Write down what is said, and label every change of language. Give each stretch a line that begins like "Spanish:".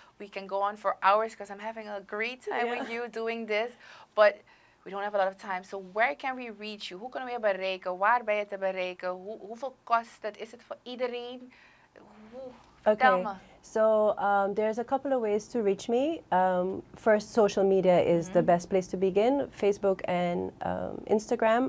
English: We can go on for hours because I'm having a great time with you doing this. But we don't have a lot of time. So where can we reach you?
Dutch: Hoe kunnen we je bereiken? Waar ben je te bereiken? Hoeveel kost het? Is het voor iedereen? Vertel me.
English: So there's a couple of ways to reach me. First, social media is the best place to begin. Facebook and Instagram.